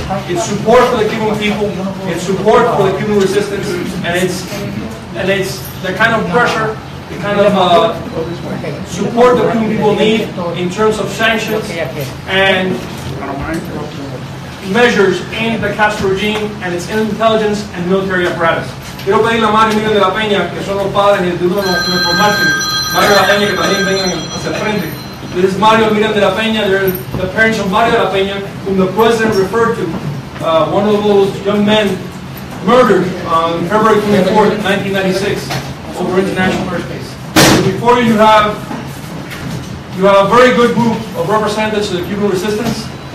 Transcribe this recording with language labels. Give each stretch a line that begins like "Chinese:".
English: It's support for the Cuban people, it's support for the Cuban resistance, and it's the kind of pressure, the kind of support the Cuban people need in terms of sanctions and measures aimed at the Castro regime and its intelligence and military apparatus.
Spanish: Quiero pedir a Mario Emilio de la Peña, que son los padres de uno de nuestros mártires, Mario de la Peña, que también vengan hacia el frente.
English: This is Mario Miriam de la Peña, they're the parents of Mario de la Peña, whom the president referred to, one of those young men murdered on February 24th, 1996, over international airspace. So before you, you have a very good group of representatives of the Cuban resistance.